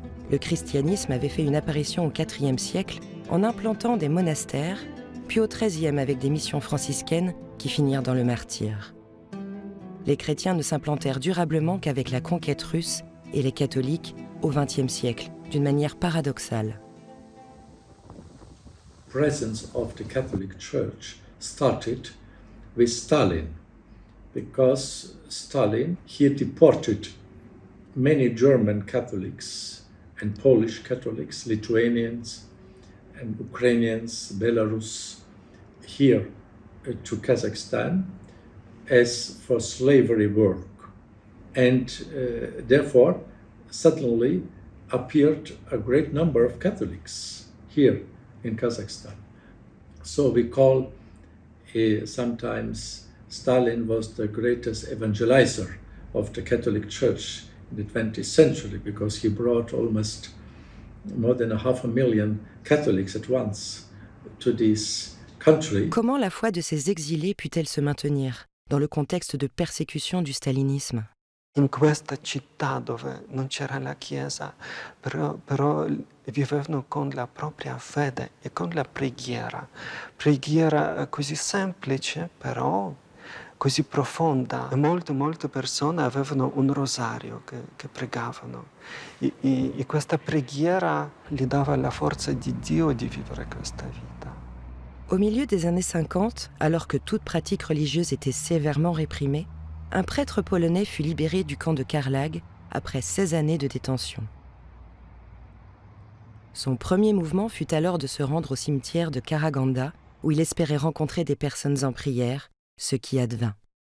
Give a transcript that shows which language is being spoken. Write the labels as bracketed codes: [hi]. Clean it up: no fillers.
[fr] Le christianisme avait fait une apparition au IVe siècle en implantant des monastères, puis au XIIIe avec des missions franciscaines qui finirent dans le martyre. Les chrétiens ne s'implantèrent durablement qu'avec la conquête russe et les catholiques au XXe siècle, d'une manière paradoxale. La présence de la catholique [en] church started with Stalin, because Stalin, he deported many German Catholics and Polish Catholics, Lithuanians and Ukrainians, Belarus, here to Kazakhstan as for slavery work. And therefore, suddenly appeared a great number of Catholics here in Kazakhstan. So we call sometimes Stalin was the greatest evangelizer of the Catholic Church in the 20th century because he brought almost more than 500,000 Catholics at once to this country. [fr] Comment la foi de ces exilés put-elle se maintenir dans le contexte de persécution du stalinisme? [it] In questa città dove non c'era la chiesa, però vivevano con la propria fede e con la preghiera. Preghiera così semplice, però così profonda. Molte, molte persone avevano un rosario che pregavano. E questa preghiera gli dava la forza di Dio di vivere questa vita. [fr] Au milieu des années 50, alors que toute pratique religieuse était sévèrement réprimée, un prêtre polonais fut libéré du camp de Karlag après 16 années de détention. Son premier mouvement fut alors de se rendre au cimetière de Karaganda, où il espérait rencontrer des personnes en prière, ce qui advint.